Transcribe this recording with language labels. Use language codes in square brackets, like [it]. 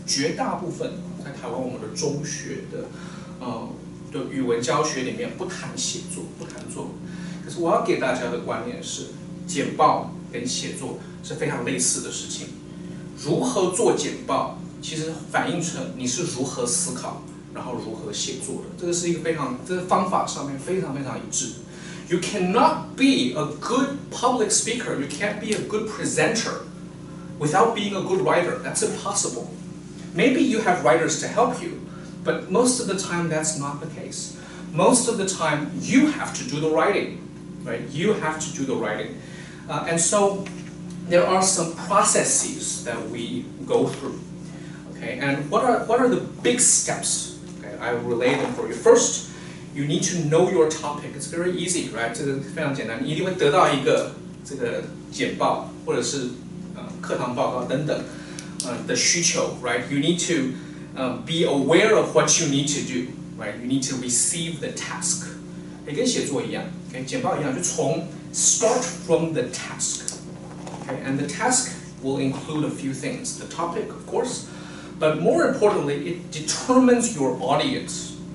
[zh] 绝大部分在台湾我们的中学的语文教学里面不谈写作，不谈作文。可是我要给大家的观念是，简报跟写作是非常类似的事情。如何做简报，其实反映成你是如何思考，然后如何写作的。这个是一个非常，这个方法上面非常非常一致。 [en] You cannot be a good public speaker, you can't be a good presenter without being a good writer. That's impossible. Maybe you have writers to help you, but most of the time that's not the case. Most of the time you have to do the writing, right? You have to do the writing. And so there are some processes that we go through. Okay, and what are the big steps? Okay, I will relay them for you. First,You need to know your topic. It's very easy, right? [zh] 这个非常简单。你一定会得到一个这个简报或者是课堂报告等等的需求 right? [en] You need to be aware of what you need to do, right? You need to receive the task. [zh] 也跟写作一样 [en] okay? [zh] 简报一样就从 [en] start from the task. Okay? And the task will include a few things. The topic, of course. But more importantly, it determines your audience.